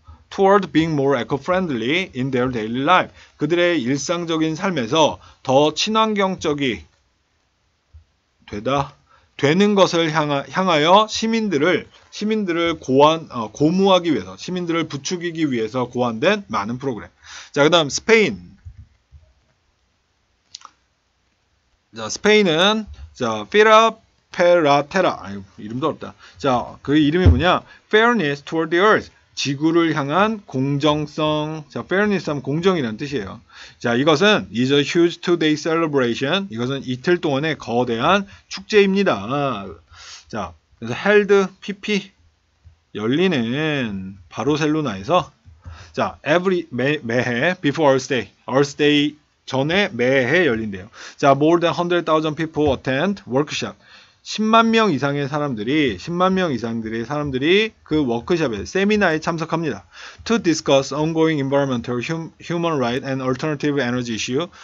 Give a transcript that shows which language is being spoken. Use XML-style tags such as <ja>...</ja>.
<en>Toward being more eco-friendly in their daily life.</en> <ko>그들의 일상적인 삶에서 더 친환경적이 되는 것을 향하여 시민들을 부추기기 위해서 고안된 많은 프로그램. 자, 그 다음 스페인. 자, 스페인은 자, 피라페라테라. 아유, 이름도 어렵다. 자, 그 이름이 뭐냐?</ko> <en>Fairness toward the earth.</en> <ko>지구를 향한 공정성. 자, fairness 하면 공정이라는 뜻이에요. 자, 이것은</ko> <en>is a huge two-day celebration.</en> <ko>이것은 이틀 동안의 거대한 축제입니다. 자, 그래서</ko> <en>held PP</en> <ko>열리는 바르셀로나에서 자, every 매해 before Earth Day.</ko> <en>Earth Day</en> <ko>전에 매해 열린대요. 자,</ko> <en>more than 100,000 people attend workshop.</en> <ko>10만 명 이상의 사람들이 그 워크숍에 세미나에 참석합니다.</ko> <en>To discuss ongoing environmental human rights and alternative energy issue.</en>